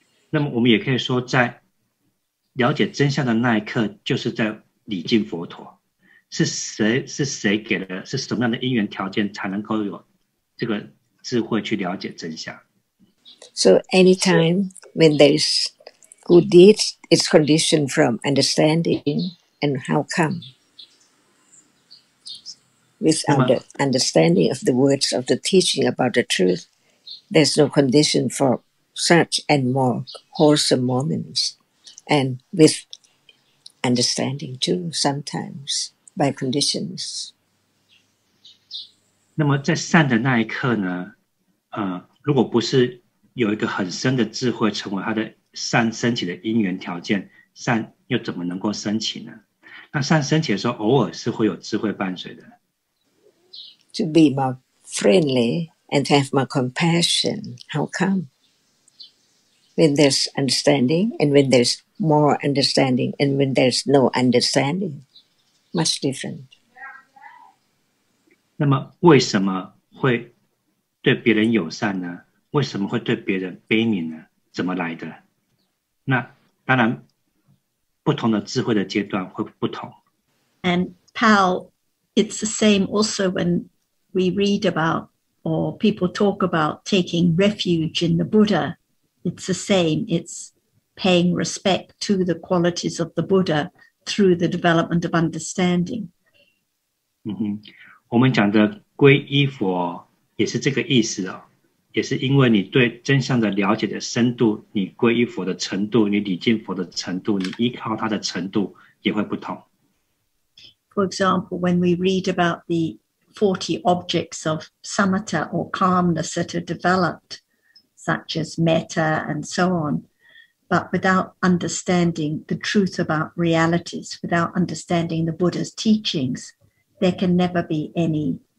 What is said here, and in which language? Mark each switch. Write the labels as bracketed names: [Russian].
[Chinese] 那么我们也可以说，在了解真相的那一刻，就是在礼敬佛陀。是谁给的？是什么样的因缘条件才能够有这个智慧去了解真相 [English] ？So anytime when there's good deeds, it's conditioned from understanding and how come without the understanding of the words of the teaching about the truth, there's no condition for such and more wholesome moments, and with understanding too sometimes. By conditions. [Chinese] 那么在善的那一刻呢、如果不是有一个很深的智慧成为他的善升起的因缘条件，善又怎么能够升起呢？那善升起的时候，偶尔是会有智慧伴随的。 [English] To be more friendly and to have more compassion, how come? When there's understanding, and when there's more understanding, and when there's no understanding. Much different. [Chinese] 那么为什么会对别人友善呢？为什么会对别人悲悯呢？怎么来的？那当然，不同的智慧的阶段会不同。 [English] And Pal, it's the same also when we read about or people talk about taking refuge in the Buddha. It's the same. It's paying respect to the qualities of the Buddha. Through the development of understanding. [Chinese] 我们讲的皈依佛也是这个意思哦。也是因为你对真相的了解的深度，你皈依佛的程度，你礼敬佛的程度，你依靠他的程度也会不同。 [English] For example, when we read about the 40 objects of samatha or calmness that are developed, such as metta and so on, but without understanding the truth about realities, without understanding the Buddha's teachings, there can never be any